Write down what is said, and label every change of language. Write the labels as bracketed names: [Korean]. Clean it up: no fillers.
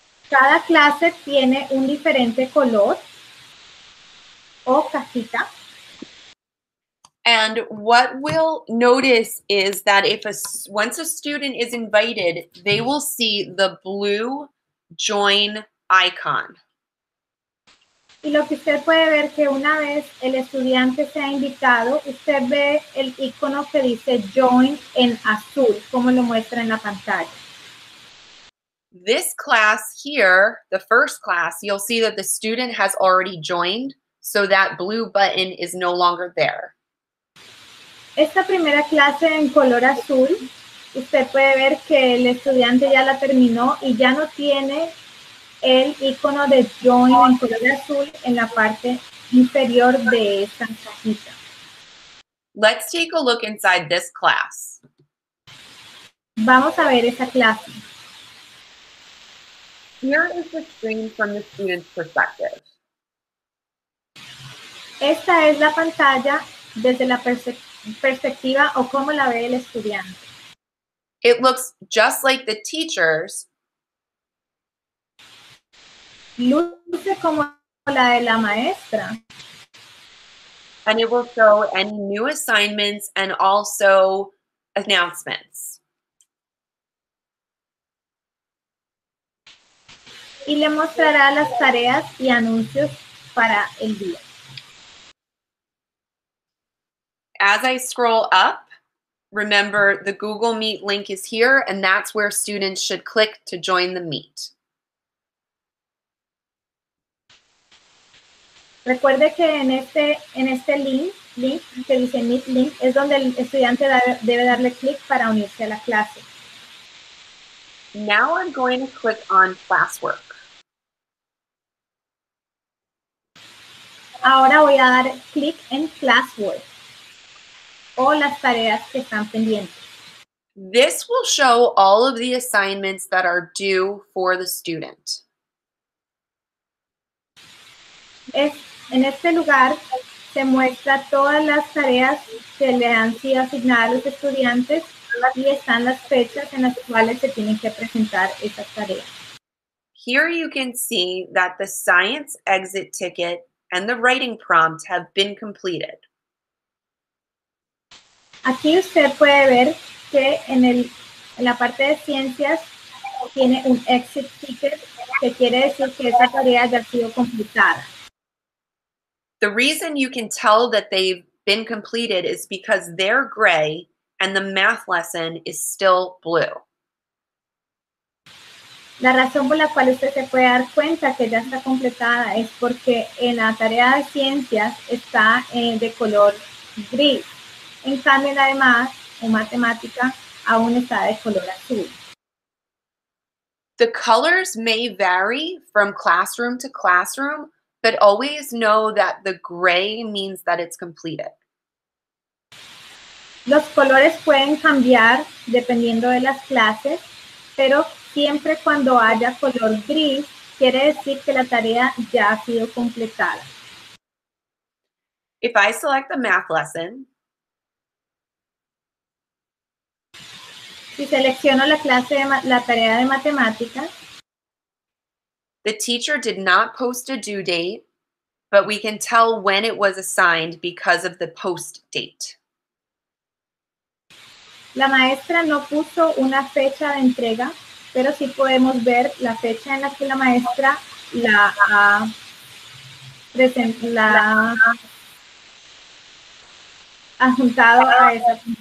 [Spanish] Cada clase tiene un diferente color o cajita. [English] And what we'll notice is that once a student is invited, they will see the blue join icon. [Spanish] Y lo que usted puede ver que una vez el estudiante sea invitado, usted ve el icono que dice join en azul, como lo muestra en la pantalla. [English] This class here, the first class, you'll see that the student has already joined, so that blue button is no longer there. [Spanish] Esta primera clase en color azul, usted puede ver que el estudiante ya la terminó y ya no tiene el icono de join en color azul en la parte inferior de esta cajita. [English] Let's take a look inside this class. [Spanish] Vamos a ver esta clase. [English] Here is the screen from the student's perspective. [Spanish] Esta es la pantalla desde la perspectiva o cómo la ve el estudiante. [English] It looks just like the teacher's. [Spanish] Luce como la de la maestra. [English] And it will show any new assignments and also announcements. [Spanish] Y le mostrará las tareas y anuncios para el día. [English] As I scroll up, remember the Google Meet link is here, and that's where students should click to join the Meet. [Spanish] Recuerde que en este link que dice Meet link es donde el estudiante debe darle clic para unirse a la clase. [English] Now I'm going to click on classwork. [Spanish] Ahora voy a dar clic en classwork o las tareas que están pendientes. [English] This will show all of the assignments that are due for the student. [Spanish] En este lugar se muestra todas las tareas que le han sido asignadas a los estudiantes y están las fechas en las cuales se tienen que presentar esas tareas. [English] Here you can see that the science exit ticket and the writing prompt have been completed. [Spanish] Aquí usted puede ver que en la parte de ciencias tiene un exit ticket que quiere decir que esa tarea ya ha sido completada. [English] The reason you can tell that they've been completed is because they're gray and the math lesson is still blue. [Spanish] La razón por la cual usted se puede dar cuenta que ya está completada es porque en la tarea de ciencias está de color gris. En cambio, en la de más, en matemática, aún está de color azul. [English] The colors may vary from classroom to classroom, but always know that the gray means that it's completed. [Spanish] Los colores pueden cambiar dependiendo de las clases, pero siempre cuando haya color gris, quiere decir que la tarea ya ha sido completada. [English] If I select the math lesson, [Spanish] si selecciono la clase de la tarea de matemáticas, [English] the teacher did not post a due date, but we can tell when it was assigned because of the post date. [Spanish] La maestra no puso una fecha de entrega, pero sí podemos ver la fecha en la que la maestra la ha juntado a esa.